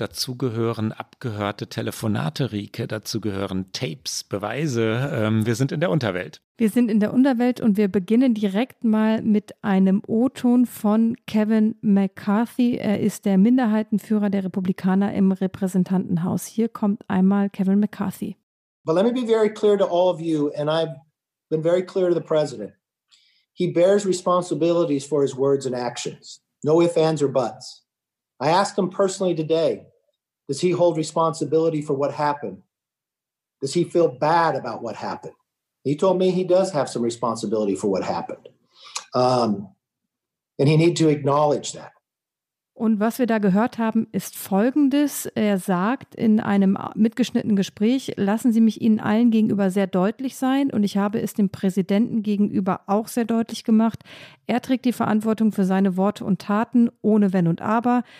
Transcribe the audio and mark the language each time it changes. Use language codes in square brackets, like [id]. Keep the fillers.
[de] Dazu gehören abgehörte Telefonate, Rieke, dazu gehören Tapes, Beweise. Wir sind in der Unterwelt. Wir sind in der Unterwelt und wir beginnen direkt mal mit einem O-Ton von Kevin McCarthy. Er ist der Minderheitenführer der Republikaner im Repräsentantenhaus. Hier kommt einmal Kevin McCarthy. [en] But let me be very clear to all of you, and I've been very clear to the president. He bears responsibilities for his words and actions. No ifs, ands, or buts. I asked him personally today does he hold responsibility for what happened? Does he feel bad about what happened? he told me he does have some responsibility for what happened um, and he need to acknowledge that [de] Und was wir da gehört haben, ist Folgendes. Er sagt in einem mitgeschnittenen Gespräch, lassen Sie mich Ihnen allen gegenüber sehr deutlich sein. Und ich habe es dem Präsidenten gegenüber auch sehr deutlich gemacht. Er trägt die Verantwortung für seine Worte und Taten ohne Wenn und Aber.